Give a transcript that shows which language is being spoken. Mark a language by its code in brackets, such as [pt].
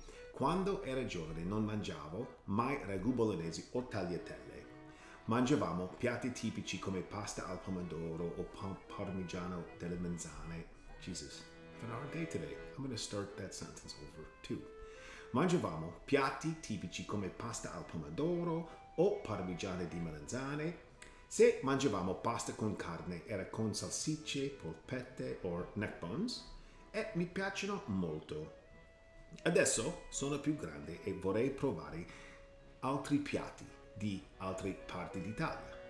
[it] Quando era giovane non mangiavo mai ragù bolognese o tagliatelle. Mangiavamo piatti tipici come pasta al pomodoro o parmigiano delle melanzane. [en] Jesus, for our day today, I'm going to start that sentence over too. [it] Mangiavamo piatti tipici come pasta al pomodoro o parmigiano di melanzane. Se mangiavamo pasta con carne, era con salsicce, polpette o [en] neck bones. [it] E mi piacciono molto. Adesso sono più grande e vorrei provare altri piatti di altre parti d'Italia.